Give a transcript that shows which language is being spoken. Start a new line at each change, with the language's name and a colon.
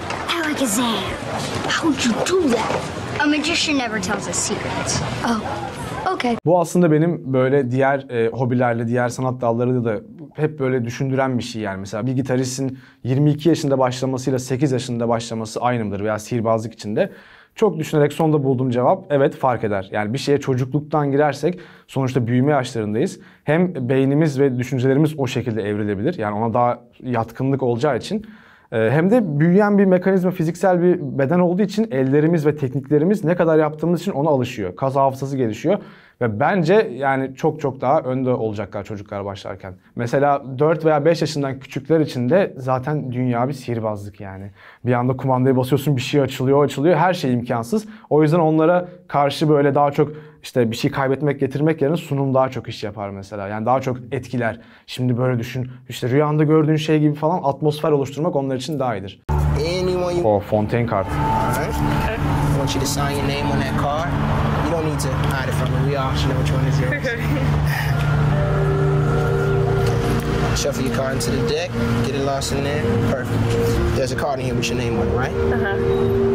English: Alakazam, how would you do that? A magician never tells a secret. Oh. Okay.
Turkish: Bu aslında benim böyle diğer hobilerle, diğer sanat dallarıyla da hep böyle düşündüren bir şey yani. Mesela bir gitaristin 22 yaşında başlamasıyla 8 yaşında başlaması aynı mıdır veya sihirbazlık içinde? Çok düşünerek sonunda bulduğum cevap evet fark eder. Yani bir şeye çocukluktan girersek sonuçta büyüme yaşlarındayız. Hem beynimiz ve düşüncelerimiz o şekilde evrilebilir. Yani ona daha yatkınlık olacağı için. Hem de büyüyen bir mekanizma, fiziksel bir beden olduğu için ellerimiz ve tekniklerimiz ne kadar yaptığımız için ona alışıyor. Kas hafızası gelişiyor. Ve bence yani çok çok daha önde olacaklar çocuklar başlarken. Mesela 4 veya 5 yaşından küçükler için de zaten dünya bir sihirbazlık yani. Bir anda kumandayı basıyorsun, bir şey açılıyor, açılıyor. Her şey imkansız. O yüzden onlara karşı böyle daha çok işte bir şey kaybetmek, getirmek yerine sunum daha çok iş yapar mesela. Yani daha çok etkiler. Şimdi böyle düşün, işte rüyanda gördüğün şey gibi falan atmosfer oluşturmak onlar için daha iyidir. O Fontaine kart.
English: I want you to sign your name on that card. You don't need to hide it from me. We all should know which one is yours. Shuffle your card into the deck. Get it lost in there. Perfect. There's a card in here with your name on it, right? Uh-huh.